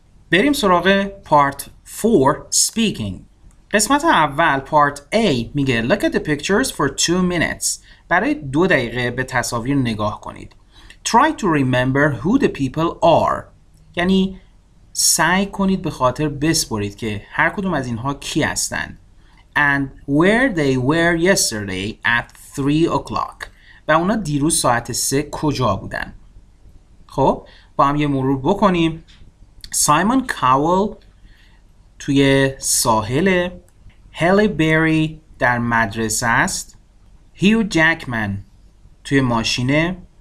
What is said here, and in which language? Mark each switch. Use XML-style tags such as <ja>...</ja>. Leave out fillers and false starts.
<fa>بریم سراغ part 4 speaking. قسمت اول</fa> <en>part A میگه look at the pictures for 2 minutes.</en> <fa>برای 2 دقیقه به تصاویر نگاه کنید.</fa> <en>Try to remember who the people are.</en> <fa>یعنی سعی کنید به خاطر بسپرید که هر کدوم از اینها کی هستند.</fa> <en>And where they were yesterday at 3 o'clock.</en> <fa>و اونا دیروز ساعت 3 کجا بودن. خب با هم یه مرور بکنیم. سایمون کاول توی ساحل. هلی بری در مدرسه است. هیو جکمن توی ماشینه.</fa>